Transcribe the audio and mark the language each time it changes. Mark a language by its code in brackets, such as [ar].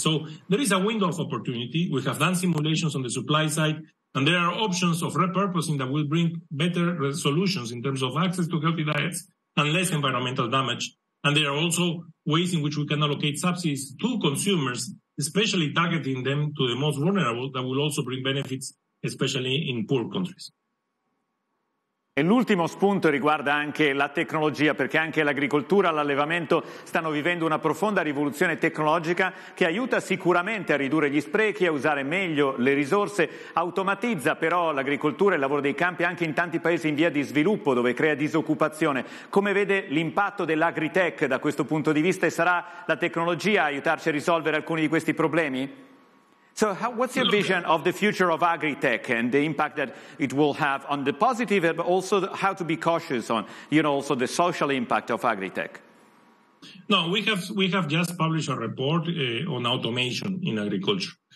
[en] So there is a window of opportunity. We have done simulations on the supply side, and there are options of repurposing that will bring better solutions in terms of access to healthy diets and less environmental damage. And there are also ways in which we can allocate subsidies to consumers, especially targeting them to the most vulnerable, that will also bring benefits, especially in poor countries. [it] E l'ultimo spunto riguarda anche la tecnologia, perché anche l'agricoltura, l'allevamento stanno vivendo una profonda rivoluzione tecnologica che aiuta sicuramente a ridurre gli sprechi, a usare meglio le risorse, automatizza però l'agricoltura e il lavoro dei campi anche in tanti paesi in via di sviluppo dove crea disoccupazione. Come vede l'impatto dell'agritech da questo punto di vista, e sarà la tecnologia a aiutarci a risolvere alcuni di questi problemi? [en] So what's your vision of the future of agri-tech and the impact that it will have on the positive, but also how to be cautious on, you know, also the social impact of agri-tech? No, we have just published a report on automation in agriculture.